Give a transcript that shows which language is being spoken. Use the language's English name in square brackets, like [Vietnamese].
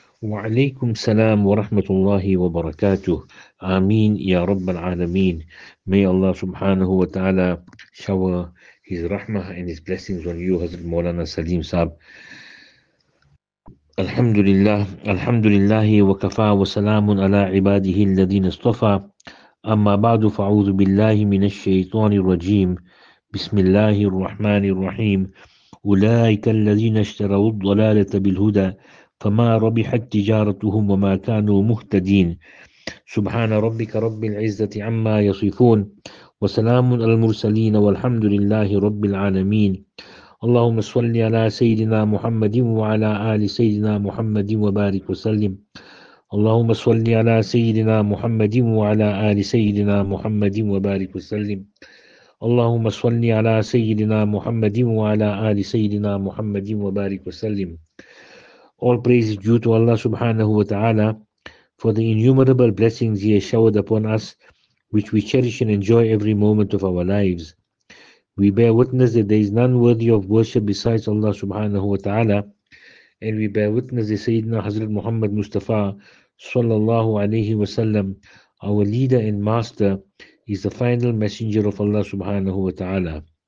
[Arabic] وعليكم السلام ورحمة الله وبركاته. آمين يا رب العالمين. [English] May Allah [Arabic] سبحانه وتعالى [English] shower His rahmah and His blessings on you, Hazrat مولانا سليم صاحب. [Arabic] الحمد لله الحمد لله وكفى وسلام على عباده الذين اصطفى. أما بعد فأعوذ بالله من الشيطان الرجيم. بسم الله الرحمن الرحيم. أولئك الذين اشتروا الضلالة بالهدى فما ربحت تجارتهم وما كانوا مهتدين. سبحان ربك رب العزة عما يصفون وسلام على المرسلين والحمد لله رب العالمين. اللهم صل على سيدنا محمد وعلى آل سيدنا محمد وبارك وسلم. اللهم صل على سيدنا محمد وعلى آل سيدنا محمد وبارك وسلم. اللهم صل على سيدنا محمد وعلى آل سيدنا محمد وبارك وسلم. [English] All praise is due to Allah subhanahu wa ta'ala for the innumerable blessings He has showered upon us, which we cherish and enjoy every moment of our lives. We bear witness that there is none worthy of worship besides Allah subhanahu wa ta'ala, and we bear witness that Sayyidina Hazrat Muhammad Mustafa sallallahu alayhi wa sallam, our leader and master, is the final messenger of Allah subhanahu wa ta'ala.